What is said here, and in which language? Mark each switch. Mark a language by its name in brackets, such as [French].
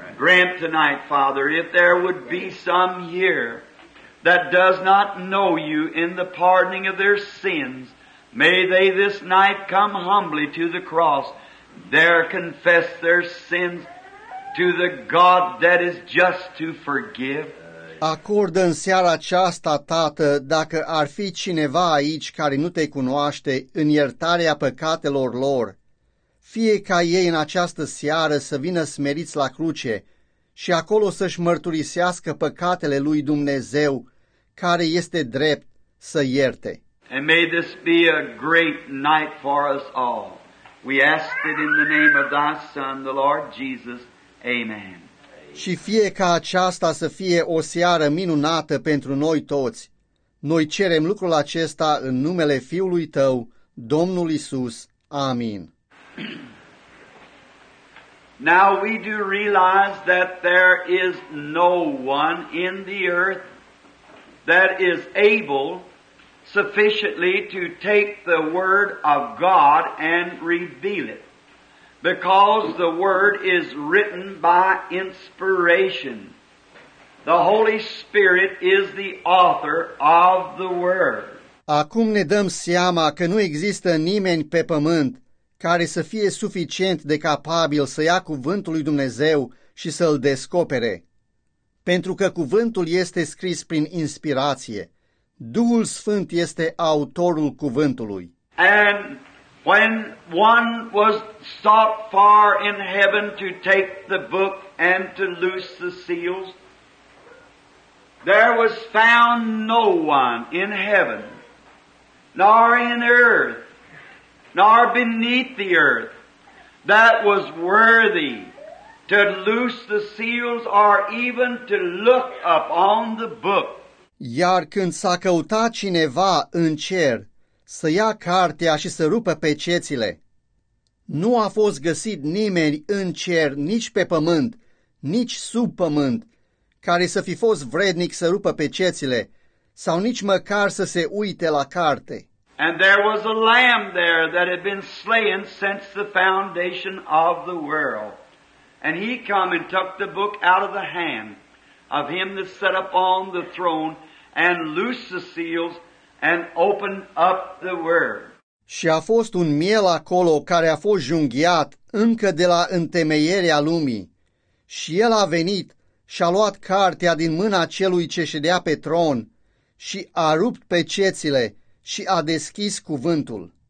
[English] Grant tonight, Father, if there would be some here that does not know you in the pardoning of their sins, may they this night come humbly to the cross, there confess their sins to the God that is just to forgive. [Romanian] Acordă în seara aceasta, Tată, dacă ar fi cineva aici care nu te cunoaște, în iertarea păcatelor lor, fie ca ei în această seară să vină smeriți la cruce și acolo să-și mărturisească păcatele lui Dumnezeu, care este drept să ierte. [English] And may this be a great night for us all. We ask it in the name of Thy Son, the Lord Jesus. Amen. [Romanian] Și fie ca aceasta să fie o seară minunată pentru noi toți, noi cerem lucrul acesta în numele Fiului Tău, Domnul Iisus. Amin. [English] Now we do realize that there is no one in the earth that is able sufficiently to take the Word of God and reveal it. Because the Word is written by inspiration. The Holy Spirit is the author of the Word. [Romanian] Acum ne dăm seama că nu există nimeni pe pământ care să fie suficient de capabil să ia cuvântul lui Dumnezeu și să-l descopere. Pentru că cuvântul este scris prin inspirație. Duhul Sfânt este autorul cuvântului. [English] And when one was sought far in heaven to take the book and to loose the seals, there was found no one in heaven, nor in earth, nor beneath the earth, that was worthy to loose the seals or even to look upon the book. [Romanian] Iar când s-a căutat cineva în cer să ia cartea și să rupă pecețile, nu a fost găsit nimeni în cer, nici pe pământ, nici sub pământ, care să fi fost vrednic să rupă pecețile sau nici măcar să se uite la carte. [English] And there was a lamb there that had been slain since the foundation of the world. And he came and took the book out of the hand of him that sat upon the throne and loosed the seals and opened up the word. [Romanian] Și a fost un miel acolo care a fost junghiat încă de la întemeierea lumii. Și el a venit și a luat cartea din mâna celui ce ședea pe tron și a rupt pecețile și a deschis cuvântul.